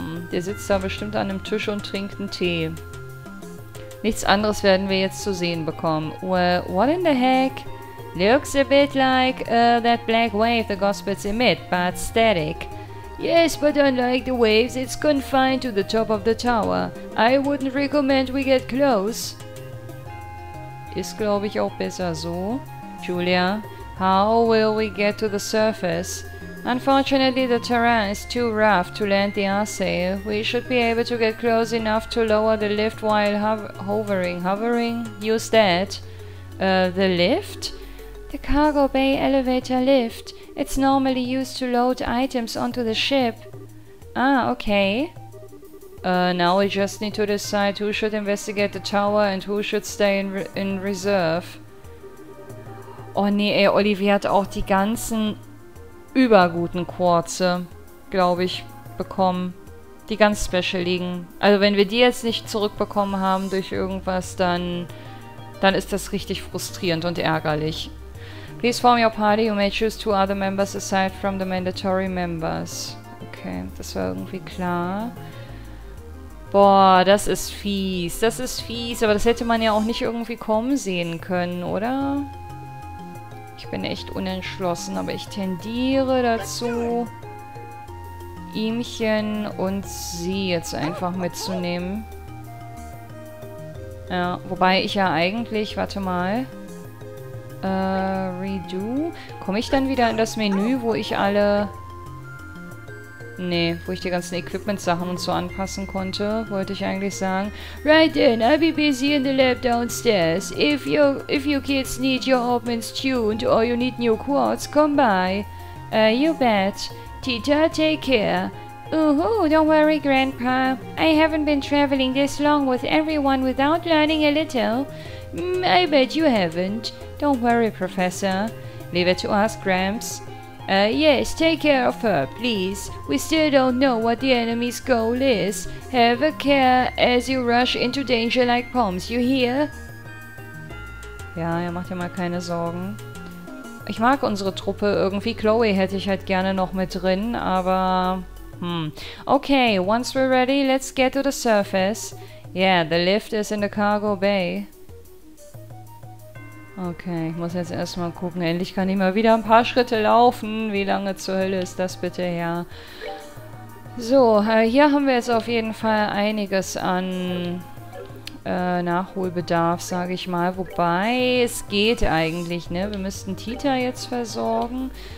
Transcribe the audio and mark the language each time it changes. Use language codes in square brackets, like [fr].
[de] Der sitzt da bestimmt an einem Tisch und trinkt einen Tee. Nichts anderes werden wir jetzt zu sehen bekommen. [en] Well, what in the heck? Looks a bit like that black wave the gospels emit, but static. Yes, but unlike the waves, it's confined to the top of the tower. I wouldn't recommend we get close. [de] Ist, glaube ich, auch besser so. [en] Julia, how will we get to the surface? Unfortunately, the terrain is too rough to land the R-sail. We should be able to get close enough to lower the lift while hovering. Hovering? Use that. The lift? The cargo bay elevator lift. It's normally used to load items onto the ship. Ah, okay. Now we just need to decide who should investigate the tower and who should stay in reserve. [de] Oh nee, ey, Olivia hat auch die ganzen überguten Quarze, glaube ich, bekommen. Die ganz special liegen. Also wenn wir die jetzt nicht zurückbekommen haben durch irgendwas, dann ist das richtig frustrierend und ärgerlich. [en] Please form your party. You may choose 2 other members aside from the mandatory members. [de] Okay, das war irgendwie klar. Boah, das ist fies. Das ist fies, aber das hätte man ja auch nicht irgendwie kommen sehen können, oder? Ich bin echt unentschlossen, aber ich tendiere dazu, ihmchen und sie jetzt einfach mitzunehmen. Ja, wobei ich ja eigentlich, warte mal, redo. Komme ich dann wieder in das Menü, wo ich alle... Nee, wo ich die ganzen Equipment-Sachen und so anpassen konnte, wollte ich eigentlich sagen. [en] Right then, I'll be busy in the lab downstairs. If you kids need your Hopman's tuned or you need new quartz, come by. You bet. Tita, take care. Ooh, don't worry, Grandpa. I haven't been traveling this long with everyone without learning a little. I bet you haven't. Don't worry, Professor. Leave it to us, Gramps. Yes, take care of her, please. We still don't know what the enemy's goal is. Have a care as you rush into danger like pumps, you hear? [de] Ja, ja, mach dir mal keine Sorgen. Ich mag unsere Truppe irgendwie. Chloe hätte ich halt gerne noch mit drin, aber... [en] Okay, once we're ready, let's get to the surface. Yeah, the lift is in the cargo bay. [de] Okay, ich muss jetzt erstmal gucken. Endlich kann ich mal wieder ein paar Schritte laufen. Wie lange zur Hölle ist das bitte her? So, hier haben wir jetzt auf jeden Fall einiges an Nachholbedarf, sage ich mal. Wobei, es geht eigentlich, ne? Wir müssten Tita jetzt versorgen.